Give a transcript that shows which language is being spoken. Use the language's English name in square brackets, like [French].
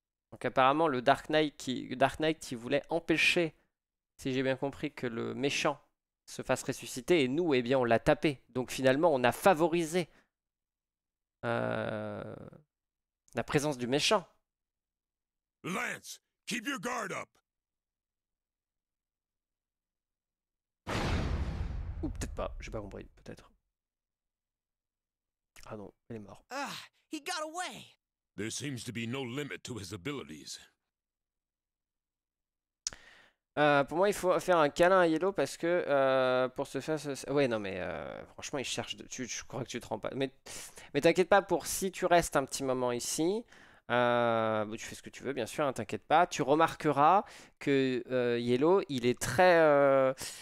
[French] Donc apparemment, le Dark Knight qui voulait empêcher, si j'ai bien compris, que le méchant se fasse ressusciter, et nous, eh bien, on l'a tapé. Donc finalement, on a favorisé la présence du méchant. [English] Lance, keep your guard up. [French] Ou peut-être pas, j'ai pas compris, peut-être. Ah non, il est mort. [English] Ah, he got away. There seems to be no limit to his abilities. [French] Pour moi, il faut faire un câlin à Yellow parce que pour se faire. Ouais, non, mais franchement, il cherche. Je crois que tu te rends pas. Mais t'inquiète pas, pour si tu restes un petit moment ici. Tu fais ce que tu veux, bien sûr, hein, t'inquiète pas. Tu remarqueras que Yellow, il est très.